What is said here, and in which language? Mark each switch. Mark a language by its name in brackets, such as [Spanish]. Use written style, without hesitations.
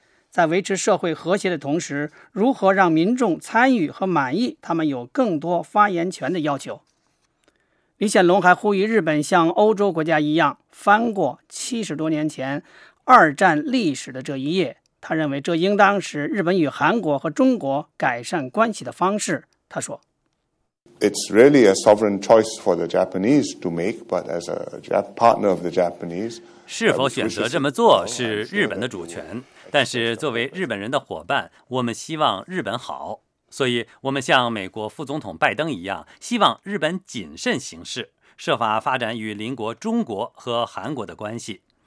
[Chinese] 在维持社会和谐的同时，如何让民众参与和满意他们有更多发言权的要求。李显龙还呼吁日本像欧洲国家一样翻过七十多年前二战历史的这一页，他认为这应当是日本与韩国和中国改善关系的方式。他说， [English] It's really a sovereign choice for the Japanese to make, but as a partner of the Japanese, [Chinese] 是否选择这么做是日本的主权，但是作为日本人的伙伴，我们希望日本好，所以我们像美国副总统拜登一样，希望日本谨慎行事，设法发展与邻国中国和韩国的关系。